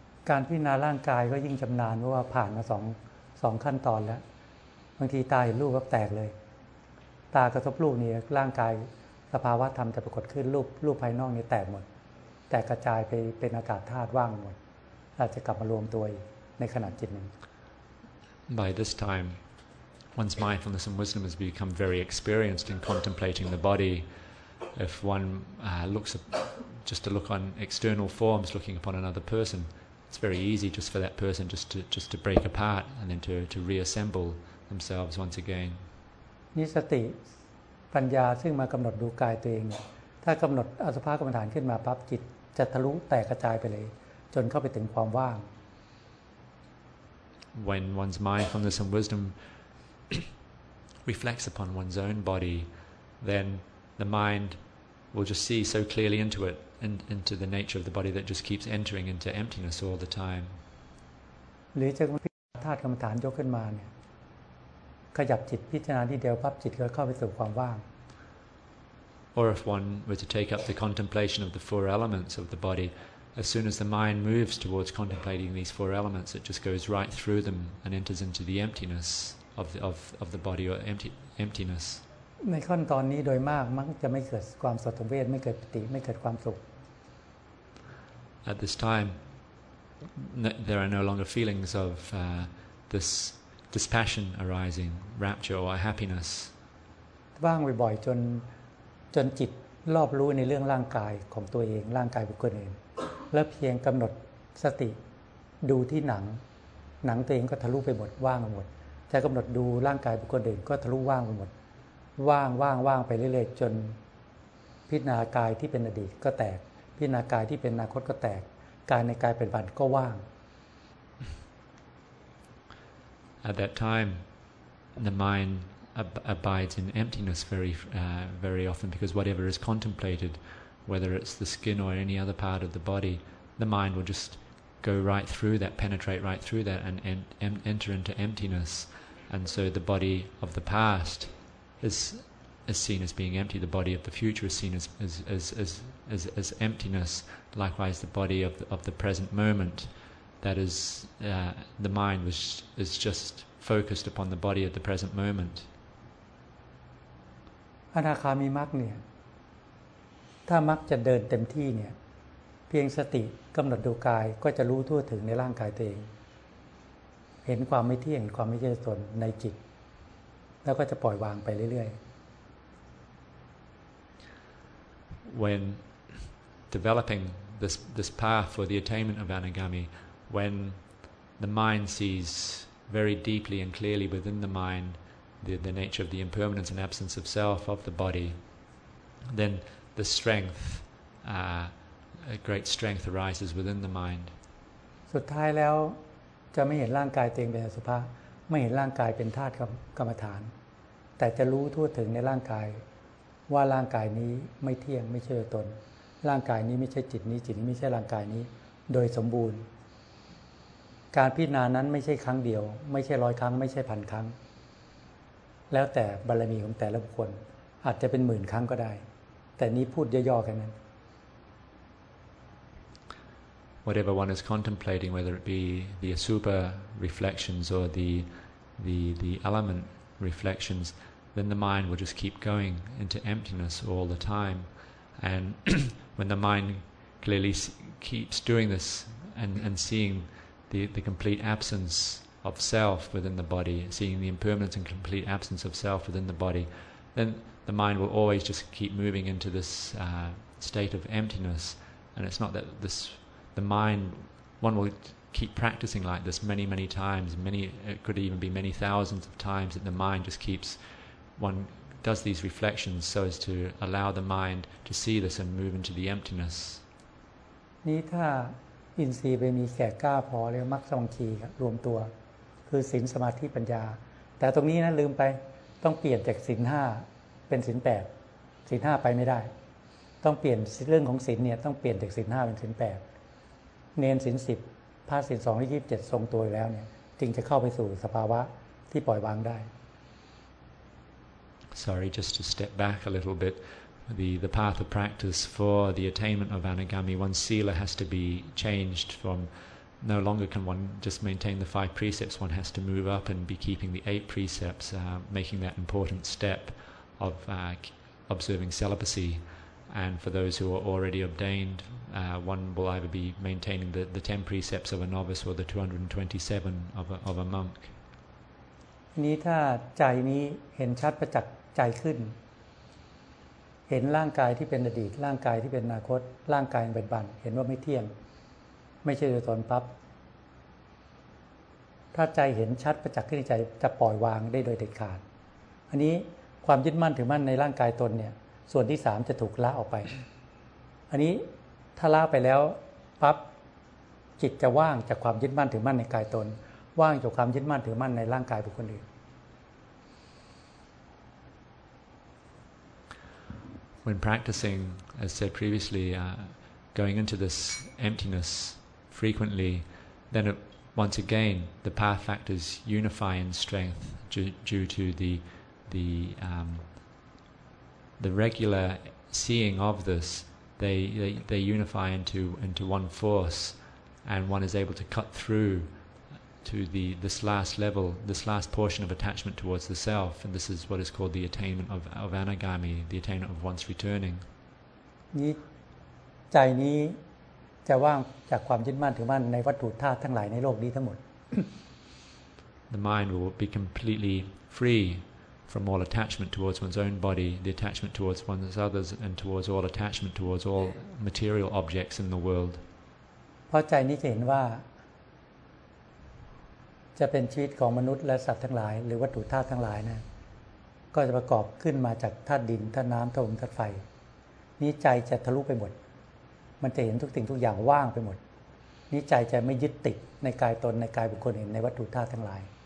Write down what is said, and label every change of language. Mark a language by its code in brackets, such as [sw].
[th] การพิจารณาร่างกายก็ยิ่งชำนาญเพราะว่าผ่านมาสองขั้นตอนแล้วบางทีตาเห็นรูปก็แตกเลยตากระทบรูปนี่ร่างกายสภาวะธรรมจะปรากฏขึ้นรูปภายนอกนี่แตกหมดแตกกระจายไปเป็นอากาศธาตุว่างหมดอาจจะกลับมารวมตัวในขณะจิตหนึ่ง [en] By this timeOne's mindfulness and wisdom has become very experienced in contemplating the body. If one looks just to look on external forms, looking upon another person, it's very easy just for that person just to break apart and then to reassemble themselves once again. [th] นี่สติปัญญาซึ่งมากำหนดดูกายตัวเองถ้ากำหนดอสุภะกรรมฐานขึ้นมาปั๊บจิตจะทะลุแตกกระจายไปเลยจนเข้าไปถึงความว่าง [en] When one's mindfulness and wisdomreflects upon one's own body, then the mind will just see so clearly into it and into the nature of the body that just keeps entering into emptiness all the time. [th] หรือจะพิจารณาธาตุกรรมฐานยกขึ้นมาเนี่ยขยับจิตพิจารณาที่เดียวปั๊บจิตก็เข้าไปสู่ความว่าง [en] Or if one were to take up the contemplation of the four elements of the body, as soon as the mind moves towards contemplating these four elements, it just goes right through them and enters into the emptiness. Of the body or emptiness. [th] ในขั้นตอนนี้โดยมากมักจะไม่เกิดความสงบไม่เกิดปิติไม่เกิดความสุข [en] At this time, there are no longer feelings of this dispassion arising, rapture or happiness. [th] ว่างบ่อยๆจนจิตรอบรู้ในเรื่องร่างกายของตัวเองร่างกายบุคคลอื่นแล้วเพียงกำหนดสติดูที่หนังตัวเองก็ทะลุไปหมดว่างหมดจะกำหนดดูร่างกายบุคคลอื่นก็ทะลุว่างไปหมดว่างว่างว่างไปเรื่อยๆจนพิจารณากายที่เป็นอดีตก็แตกพิจารณากายที่เป็นอนาคตก็แตกกายในกายเป็นบันก็ว่าง [en] At that time the mind abides in emptiness very very often because whatever is contemplated whether it's the skin or any other part of the body the mind will justgo right through that, penetrate right through that and enter into emptiness. And so the body of the past is seen as being empty. The body of the future is seen as emptiness. Likewise, the body of the present moment, that is, the mind which is just focused upon the body of the present moment. [th] อนาคามีมรรคเนี่ยถ้ามรรคจะเดินเต็มที่เนี่ยเพียงสติกำหนดดูกายก็จะรู้ทั่วถึงในร่างกายตัวเองเห็นความไม่เที่ยงความไม่ใช่ตนในจิตแล้วก็จะปล่อยวางไปเรื่อย [en] ๆ When developing this path for the attainment of anagami, when the mind sees very deeply and clearly within the mind the nature of the impermanence and absence of self of the body, then the strengtha great strength arises within the mind [th] สุดท้ายแล้วจะไม่เห็นร่างกายตัวเองเป็นอสุภะไม่เห็นร่างกายเป็นธาตุกรรมฐานแต่จะรู้ทั่วถึงในร่างกายว่าร่างกายนี้ไม่เที่ยงไม่ใช่ตนร่างกายนี้ไม่ใช่จิตนี้จิตนี้ไม่ใช่ร่างกายนี้โดยสมบูรณ์การพิจารณานั้นไม่ใช่ครั้งเดียวไม่ใช่ร้อยครั้งไม่ใช่พันครั้งแล้วแต่บารมีของแต่ละบุคคลอาจจะเป็นหมื่นครั้งก็ได้แต่นี้พูดย่อๆแค่นั้น [en] Whatever one is contemplating, whether it be the asupa reflections or the element reflections, then the mind will just keep going into emptiness all the time. And when the mind clearly keeps doing this and seeing the complete absence of self within the body, seeing the impermanence and complete absence of self within the body, then the mind will always just keep moving into this state of emptiness. And it's not that this the mind, one will keep practicing like this many, many times, many, it could even be many thousands of times, that the mind just keeps, one does these reflections so as to allow the mind to see this and move into the emptiness. [th] นี่ถ้าอินทรีย์ไปมีแก่กล้าพอแล้วมรรคสังคีรวมตัวคือศีลสมาธิปัญญาแต่ตรงนี้นะลืมไปต้องเปลี่ยนจากศีล5เป็นศีล8ศีล5ไปไม่ได้ต้องเปลี่ยนเรื่องของศีลเนี่ยต้องเปลี่ยนจากศีล5เป็นศีล8เนนศีล10พาศีล2ที่27ทรงตัวอยู่แล้วเนี่ยจึงจะเข้าไปสู่สภาวะที่ปล่อยวางได้ [en] Sorry just to step back a little bit the path of practice for the attainment of anagami one's sila has to be changed from no longer can one just maintain the 5 precepts one has to move up and be keeping the 8 precepts making that important step of observing celibacy and for those who are already ordained one will either be maintaining the 10 precepts of a novice or the 227 of a monk [th] นี้ถ้าใจนี้เห็นชัดประจักษ์ใจขึ้นเห็นร่างกายที่เป็นอดีตร่างกายที่เป็นอนาคตร่างกายเป็นบันเห็นว่าไม่เที่ยงไม่ใช่ตัวตนปั๊บ ถ้าใจเห็นชัดประจักษ์ขึ้นในใจจะปล่อยวางได้โดยเด็ดขาดอันนี้ความยึดมั่นถือมั่นในร่างกายตนเนี่ยส่วนที่3จะถูกละออกไปอันนี้ถ้าละไปแล้วปั๊บจิตจะว่างจากความยึดมั่นถือมั่นในกายตนว่างจากความยึดมั่นถือมั่นในร่างกายบุคคลอื่น [en] When practicing, as said previously, going into this emptiness frequently, then it, once again the path factors unify in strength due to the regular seeing of this. They unify into one force, and one is able to cut through to this last level, this last portion of attachment towards the self, and this is what is called the attainment of anagami, the attainment of one's returning. [th] นี้ใจนี้จะว่างจากความยึดมั่นถือมั่นในวัตถุธาตุทั้งหลายในโลกนี้ทั้งหมด [en] The mind will be completely free from all attachment towards one's own body, the attachment towards one's others, and towards all attachment towards all material objects in the world. [th] เพราะใจนี้จะเห็นว่าจะเป็นชีวิตของมนุษย์และสัตว์ทั้งหลายหรือวัตถุธาตุทั้งหลายนะก็จะประกอบขึ้นมาจากธาตุดินธาตุน้ำธาตุลมธาตุไฟนี้ใจจะทะลุไปหมดมันจะเห็นทุกสิ่งทุกอย่างว่างไปหมดนี้ใจจะไม่ยึดติดในกายตนในกายบุคคลอื่นในวัตถุธาตุทั้งหลาย